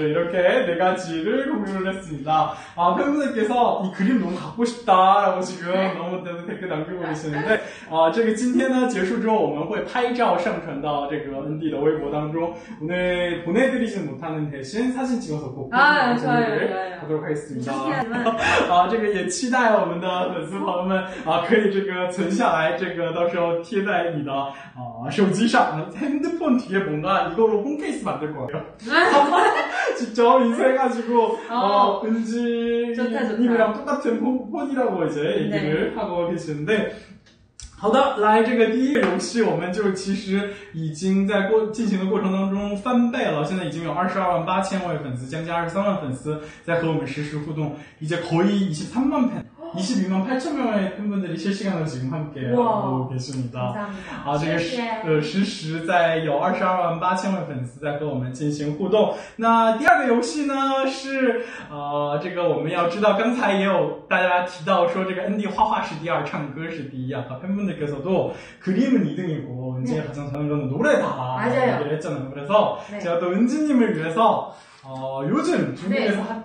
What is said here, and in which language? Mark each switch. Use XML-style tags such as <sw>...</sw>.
<ko>이렇게 네 가지를 공유를 했습니다. 아, 팬분들께서 이 그림 너무 갖고 싶다 라고 지금 너무 댓글 남기고 계시는데</ko> <zh>这个今天呢结束之后我们会拍照上传到这个恩迪的微博当中</zh> <ko>오늘 보내드리진 못하는 대신 사진 찍어서 꼭 공유를 보도록 하겠습니다.</ko> <zh>아这个也期待我们的粉丝朋友们啊可以这个存下来这个到时候贴在你的手机上</zh> <ko>핸드폰 뒤에 뭔가 이거로 홈케이스 만들 거예요. 직접 인사해가지고 은지님이랑 똑같은 폰이라고 이제 얘기를 네. 하고 계시는데</ko> <zh>好的，来这个第一个游戏，我们就其实已经在过进行的过程当中翻倍了。现在已经有22万8千位粉丝，将近23万粉丝在和我们实时互动，</zh> <ko>이제 거의 23만 팬, 22만 8천 명의 팬분들이 실시간으로 지금 함께 하고 계십니다. 감사합니다.</ko> <zh>아, 这个实时在有22万8千位粉丝在和我们进行互动。那第二个游戏呢，是这个我们要知道，刚才也有大家提到说这个ND画画是第二，唱歌是第一啊。</zh> <ko>팬분들께서도 그림은 2등이고 이제 네. 가장 잘하는 건 노래다 맞아요. 얘기를 했잖아요. 그래서 네. 제가 또 은지님을 위해서 요즘 중국에서 네.</ko>